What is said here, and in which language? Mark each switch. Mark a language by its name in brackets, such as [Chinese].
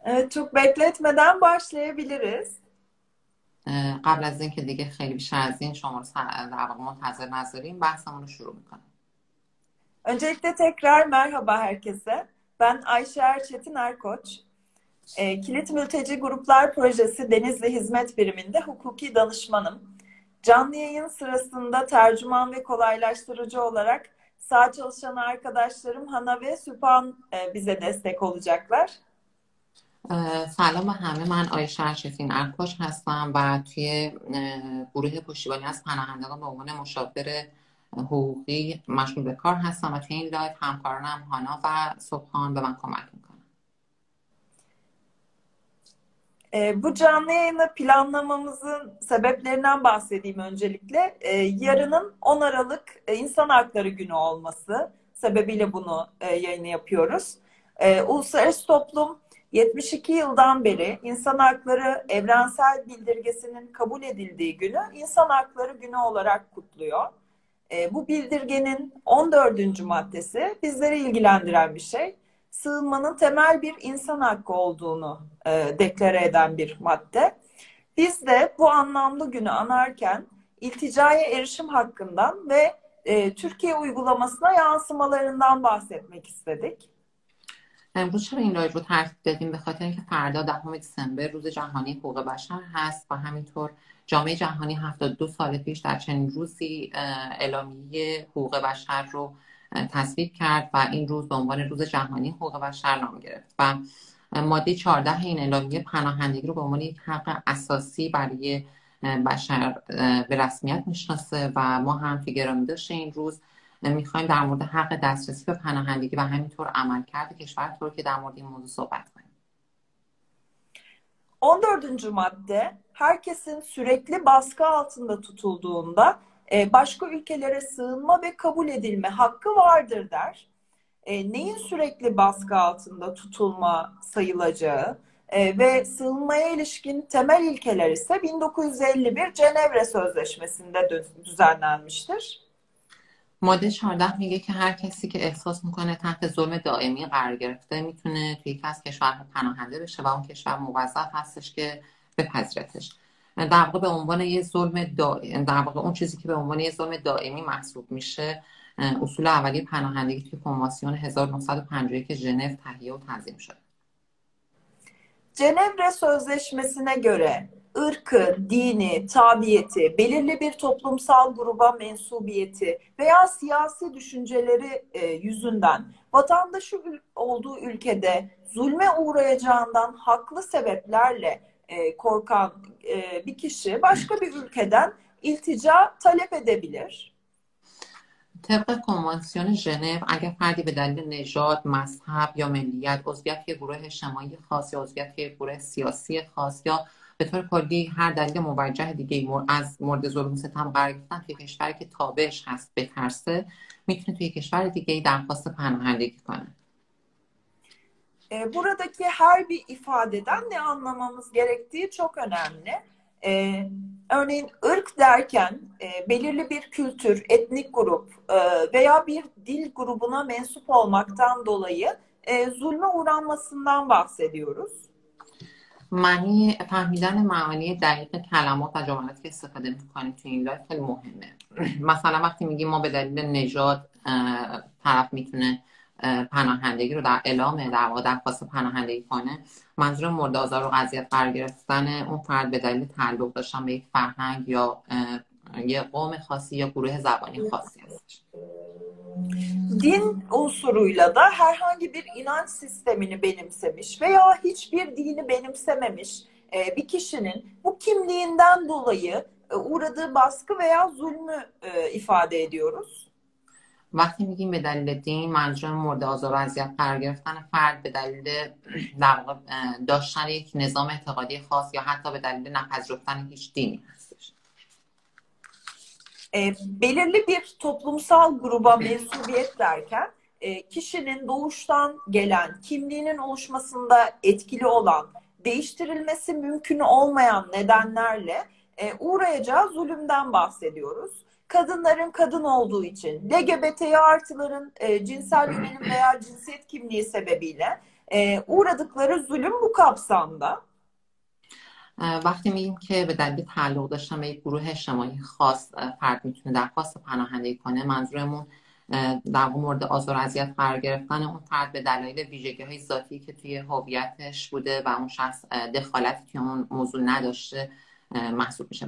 [Turkish] Çok bekletmeden başlayabiliriz. [Persian] قبل از اینکه دیگه خیلی بیش از این شما در واقع منتظر نذاریم بحثمون رو شروع میکنم. [Turkish] Öncelikle tekrar merhaba herkese. Ben Ayşe Erçetin Erkoç. Kilit Mülteci Gruplar Projesi Denizli Hizmet Biriminde hukuki danışmanım. Canlı yayın sırasında tercüman ve kolaylaştırıcı olarak sağ çalışan arkadaşlarım Hana ve Süphan bize destek olacaklar. [Persian] سلام به همه، من آیشه شفین ارکوش هستم و توی گروه پشتیبانی از پناهندگان به عنوان مشاور حقوقی مشغول به کار هستم و توی این لایف همکارانم هانا و سبحان به من کمک میکنن. [Turkish] Bu canlı yayını planlamamızın sebeplerinden bahsedeyim öncelikle. Yarının 10 Aralık İnsan Hakları Günü olması sebebiyle bunu yayını yapıyoruz. Uluslararası toplum 72 yıldan beri insan hakları evrensel bildirgesinin kabul edildiği günü İnsan Hakları Günü olarak kutluyor. Bu bildirgenin 14. maddesi bizleri ilgilendiren bir şey. Sığınmanın temel bir insan hakkı olduğunu deklare eden bir madde. Biz de bu anlamlı günü anarken İlticaya erişim hakkından ve Türkiye uygulamasına yansımalarından bahsetmek istedik. [Persian] امروز چرا این رایت رو ترتیب دادیم؟ به خاطر اینکه فردا 10 دسامبر روز جهانی حقوق بشر هست و همینطور جامعه جهانی 72 سال پیش در چنین روزی اعلامیه حقوق بشر رو تصویب کرد و این روز به عنوان روز جهانی حقوق بشر نام گرفت و ماده 14 این اعلامیه پناهندگی رو به عنوان یک حق اساسی برای بشر به رسمیت میشناسه و ما هم فی گرامی داشته این روز میخوایم در مورد حق دسترسی به پناهندگی و همینطور عملکرد کشور ترکیه در مورد این موضوع صحبت کنیم. [Turkish] 14. madde herkesin sürekli baskı altında tutulduğunda başka ülkelere sığınma ve kabul edilme hakkı vardır der. Neyin sürekli baskı altında tutulma sayılacağı ve sığınmaya ilişkin temel ilkeler ise 1951 Cenevre Sözleşmesi'nde düzenlenmiştir. [Persian] ماده 14 میگه که هر کسی که احساس میکنه تحت ظلم دائمی قرار گرفته میتونه توی یکی از کشورها پناهنده بشه و اون کشور موظف هستش که بپذیرتش. در واقع به عنوان یه ظلم دائم، در واقع اون چیزی که به عنوان یه ظلم دائمی محسوب میشه اصول اولیه پناهندگی توی کنوانسیون 1951 ژنو تهیه و تنظیم شده. [Turkish] Cenevre Sözleşmesi'ne göre ırkı, dini, tabiyeti, belirli bir toplumsal gruba mensubiyeti veya siyasi düşünceleri yüzünden vatandaşı olduğu ülkede zulme uğrayacağından haklı sebeplerle korkan bir kişi başka bir ülkeden iltica talep edebilir. [Persian] طبق کنوانسیون ژنو اگر فردی به دلیل نژاد، مذهب یا ملیت، عضویت یک گروه اجتماعی خاص یا عضویت یک گروه سیاسی خاص یا به طور کلی هر دلیل موجه دیگه از مورد ظلم و ستم قرار گرفتن توی کشوری که تابعش هست بترسه، میتونه توی کشور دیگه درخواست پناهندگی کنه. [Turkish] Buradaki her bir ifadeden ne anlamamız gerektiği çok önemli. Örneğin ırk derken belirli bir kültür, etnik grup veya bir dil grubuna mensup olmaktan dolayı zulme uğranmasından bahsediyoruz. [Persian] معنی فهمیدن معانی دقیق کلمات و جملاتی که استفاده می‌کنیم تو این لایف خیلی مهمه. مثلا وقتی میگیم ما به دلیل نژاد طرف میتونه پناهندگی رو در اعلام در واقع درخواست پناهندگی کنه، منظور مورد آزار و اذیت قرار گرفتن اون فرد به دلیل تعلق داشتن به یک فرهنگ یا یک قوم خاصی یا گروه زبانی خاصی هستش. [Turkish] Din unsuruyla da herhangi bir inanç sistemini benimsemiş veya hiçbir dini benimsememiş bir kişinin bu kimliğinden dolayı uğradığı baskı veya zulmü ifade ediyoruz. [Persian] وقتی میگیم به دلیل دین، منظور مورد آزار و اذیت قرار گرفتن فرد به دلیل در واقع داشتن یک نظام اعتقادی خاص یا حتی به دلیل نپذیرفتن هیچ دینی هستش. [Turkish] Belirli bir toplumsal gruba mensubiyet derken kişinin doğuştan gelen kimliğinin oluşmasında etkili olan değiştirilmesi mümkün olmayan nedenlerle uğrayacağı zulümden bahsediyoruz. Kadınların kadın olduğu için, LGBT artıların cinsel yönelim veya cinsiyet kimliği sebebiyle uğradıkları zulüm bu kapsamda. [Persian] وقتی میگیم که به دلیل تعلق داشتن به یک گروه اجتماعی خاص فرد میتونه درخواست پناهندگی کنه، منظورمون در مورد آزار و اذیت قرار گرفتن اون فرد به دلایل ویژگی های ذاتی که توی هویتش بوده و اون شخص دخالتی که اون موضوع نداشته محسوب میشه.